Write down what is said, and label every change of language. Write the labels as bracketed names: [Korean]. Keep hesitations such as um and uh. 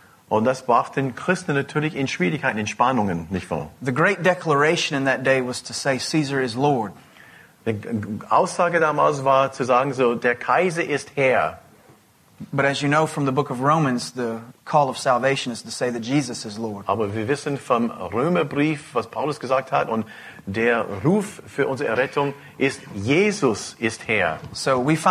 [German] Und das brachte den Christen natürlich in Schwierigkeiten, in Spannungen, nicht wahr? [English] The great declaration in that day was to say Caesar is Lord. [German] Die Aussage damals war zu sagen so der Kaiser ist Herr. [English] But as you know from the book of Romans the call of salvation is to say that Jesus is Lord. [German] Aber wir wissen vom Römerbrief was Paulus gesagt hat und der Ruf für unsere Errettung ist Jesus ist Herr. So